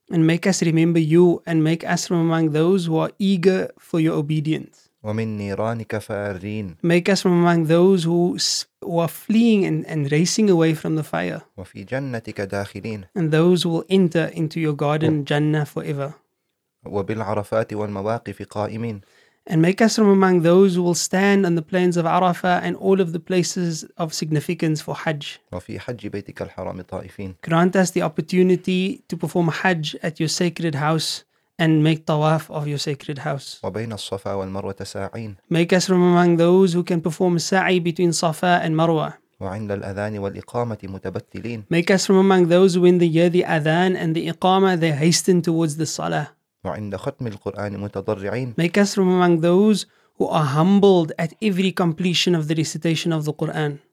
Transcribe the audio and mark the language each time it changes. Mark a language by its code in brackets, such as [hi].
[en] And make us remember you and make us from among those who are eager for your obedience. [ar] ومن نيرانك فارين. [en] Make us from among those who are fleeing and racing away from the fire. [ar] وفي جنتك داخلين. [en] And those who will enter into your garden, Jannah, forever. [ar] وبالعرفات والمواقف قائمين. [en] And make us from among those who will stand on the plains of Arafah and all of the places of significance for Hajj. [ar] وفي حج بيتك الحرام طائفين. [en] Grant us the opportunity to perform Hajj at your sacred house. And make tawaf of your sacred house. [ar] وبين الصفا والمروة ساعين. [en] Make us from among those who can perform sa'i between Safa and Marwa. [ar] وعند الأذان والإقامة متبتلين. [en] Make us from among those who in the year the Adhan and the Iqama they hasten towards the Salah. [ar] وعند ختم القرآن متضرعين. [en] Make us from among those who are humbled at every completion of the recitation of the Quran.